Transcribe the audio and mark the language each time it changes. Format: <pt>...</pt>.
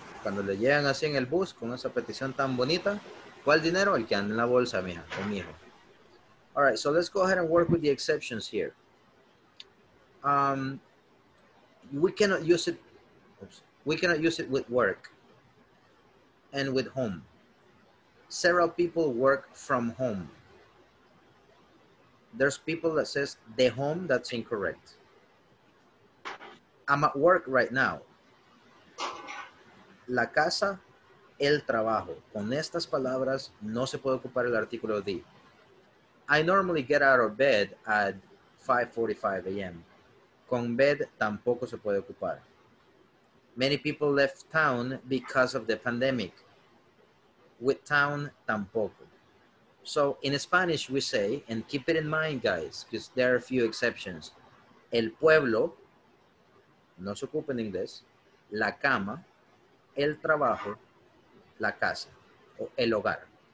<es>Cuando le llegan así en el bus con esa petición tan bonita, ¿cuál dinero? El que anda en la bolsa, mija, conmigo.</es> <en>All right, so let's go ahead and work with the exceptions here. We cannot use it with work and with home. Several people work from home. There's people that says the home, that's incorrect. I'm at work right now.</en> <es>La casa, el trabajo. Con estas palabras, no se puede ocupar el artículo D.</es> <en>I normally get out of bed at 5:45 a.m.</en> <es>Con bed, tampoco se puede ocupar.</es> <en>Many people left town because of the pandemic. With town, tampoco. So in Spanish we say, and keep it in mind, guys, because there are a few exceptions.</en> <es>El pueblo, no se ocupa en inglés, la cama, el trabajo, la casa, o el hogar.</es>